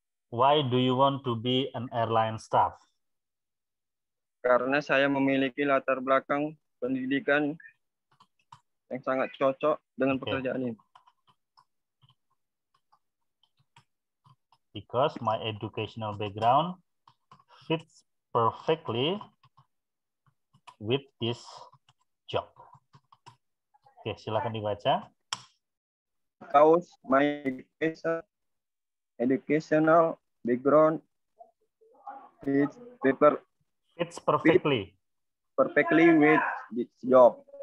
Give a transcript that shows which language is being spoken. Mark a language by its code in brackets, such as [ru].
[en] Why do you want to be an airline staff? [id] Karena saya memiliki latar belakang pendidikan yang sangat cocok dengan pekerjaan ini. [en] Because my educational background fits perfectly with this job. [id] Oke, silakan dibaca. [en] Because my educational background fits perfectly with this job.